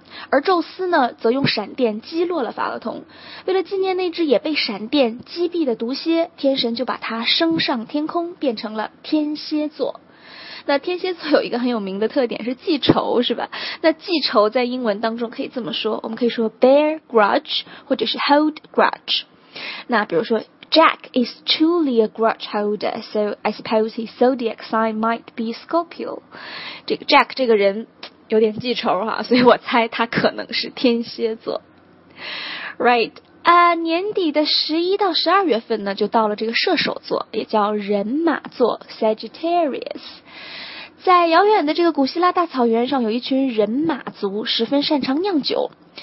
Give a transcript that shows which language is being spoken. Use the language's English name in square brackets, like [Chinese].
[Chinese] 而宙斯呢，则用闪电击落了法厄同。为了纪念那只也被闪电击毙的毒蝎，天神就把它升上天空，变成了天蝎座。那天蝎座有一个很有名的特点是记仇，是吧？那记仇在英文当中可以这么说，我们可以说 [English] bear grudge [Chinese] 或者是 [English] hold grudge。 [Chinese] 那比如说 [English] Jack is truly a grudge holder, so I suppose his zodiac sign might be Scorpio. [Chinese] 这个 Jack 这个人有点记仇哈，所以我猜他可能是天蝎座。 [English] Right. [Chinese] 年底的11到12月份呢，就到了这个射手座，也叫人马座 Sagittarius。在遥远的这个古希腊大草原上，有一群人马族十分擅长酿酒。